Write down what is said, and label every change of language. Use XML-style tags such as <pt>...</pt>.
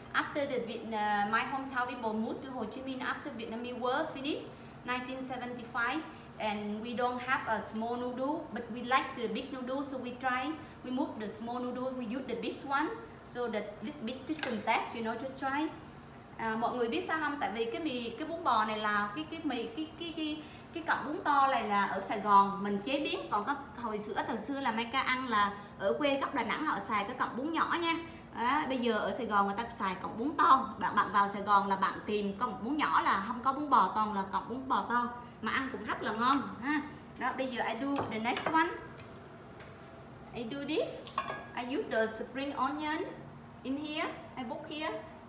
<en>After the my hometown people moved to Ho Chi Minh after Vietnamese war finished 1975, and we don't have a small noodle, but we like the big noodle, so we try, we move the small noodle, we use the big one, so that this big different test, you know, to try.</en> <vi>Mọi người biết sao không? Tại vì cái mì, cái bún bò này là cái mì, cái cọng bún to này là ở Sài Gòn mình chế biến, còn có thời xưa là Meka ăn là ở quê gốc Đà Nẵng họ xài cái cọng bún nhỏ nha. À, bây giờ ở Sài Gòn người ta xài cọng bún to, bạn vào Sài Gòn là bạn tìm cọng bún nhỏ là không có bún bò, toàn là cọng bún bò to mà ăn cũng rất là ngon ha. Đó, bây giờ</vi> <en>I do the next one. I do this. I use the spring onion in here. I put here.</en>